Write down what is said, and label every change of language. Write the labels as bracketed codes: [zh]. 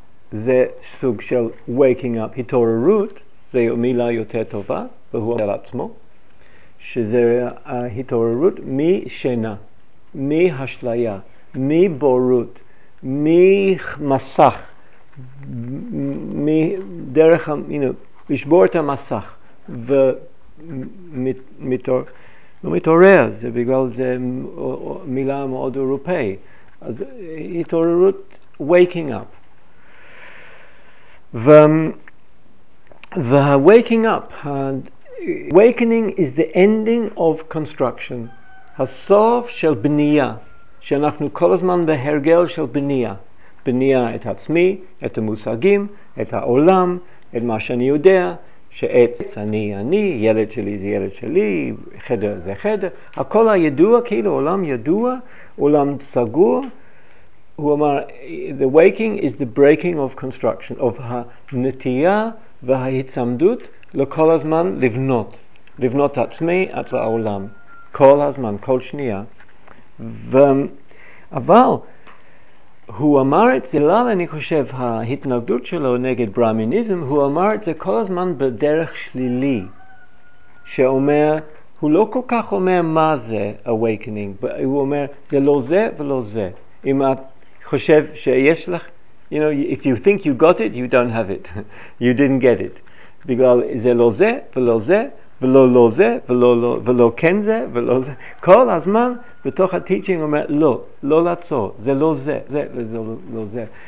[he] זה סוג של [en] waking up, [he] התעוררות, זה מילה יותר טובה, והוא אומר על עצמו, שזה התעוררות משינה, מהשליה, מבורות, ממסך, מדרך, לשבור את המסך, ומתעוררות, לא מתעורר, זה בגלל זה מילה מאוד אירופאי. אז התעוררות, [en] waking up. וה-waking up, awakening is the ending of construction. [he] הסוף של בנייה, שאנחנו כל הזמן בהרגל של בנייה. בנייה את עצמי, את המושגים, את העולם, את מה שאני יודע. שעץ אני, ילד שלי זה ילד שלי, חדר זה חדר, הכל הידוע, כאילו עולם ידוע, עולם סגור. הוא אמר, [en] the waking is the breaking of construction, of [he] הנטייה וההצמדות לכל הזמן לבנות, לבנות עצמי, עצמי העולם, כל הזמן, כל שנייה. אבל הוא אמר את זה, לא, אני חושב, ההתנגדות שלו נגד ברמיניזם, הוא אמר את זה כל הזמן בדרך שלילי, שאומר, הוא לא כל כך אומר מה זה awakening, הוא אומר, זה לא זה ולא זה. אם את חושב שיש לך, [en] you know, if you think you got it, you don't have it. You didn't get it. [he] בגלל זה לא זה ולא זה, ולא לא זה, ולא כן זה, ולא זה. כל הזמן בתוך הטיצ'ינג אומר, לא, לא לעצור, זה לא זה, זה וזה לא זה.